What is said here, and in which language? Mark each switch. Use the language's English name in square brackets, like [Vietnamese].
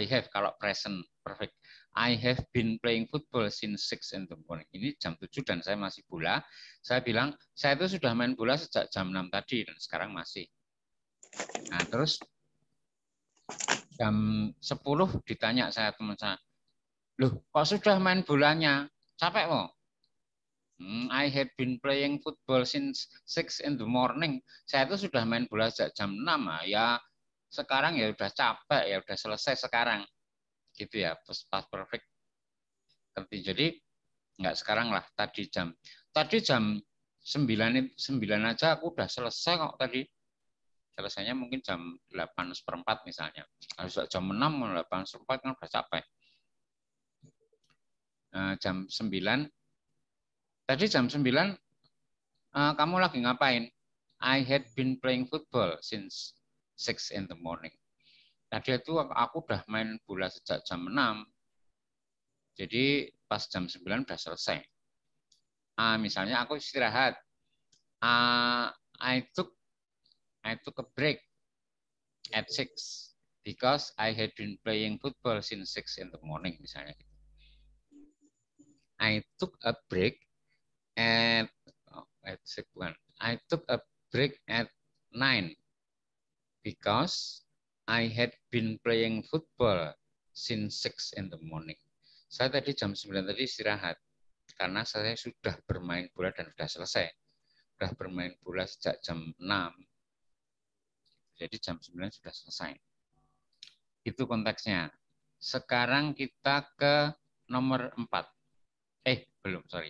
[Indonesian] Kalau [English] present perfect, I have been playing football since 6 in the morning. [Indonesian] Ini jam 7 dan saya masih bola. Saya bilang, saya itu sudah main bola sejak jam 6 tadi dan sekarang masih. Nah, terus jam 10 ditanya saya teman saya, loh, kok sudah main bolanya? Capek kok? [English] I have been playing football since 6 in the morning. [Indonesian] Saya itu sudah main bola sejak jam 6. Ya, sekarang ya sudah capek, ya sudah selesai sekarang. Gitu ya, past perfect. Jadi, enggak sekarang lah, tadi jam 9 aja aku sudah selesai kok tadi. Selesainya mungkin jam 8.15 misalnya. Harus jam 6, 8.15 kan sudah capek. Jam 9, tadi jam 9, kamu lagi ngapain? [English] I had been playing football since 6 in the morning. [Indonesian] Tadi itu aku udah main bola sejak jam 6. Jadi pas jam 9 udah selesai. Misalnya aku istirahat. [English] I took a break at 6. because I had been playing football since 6 in the morning, [Indonesian] misalnya. [English] I took a break at, oh, at 6 one. I took a break at 9 because I had been playing football since 6 in the morning. [Indonesian] Saya tadi jam 9 tadi istirahat karena saya sudah bermain bola dan sudah selesai. Sudah bermain bola sejak jam 6. Jadi jam 9 sudah selesai. Itu konteksnya. Sekarang kita ke nomor 4. Belum.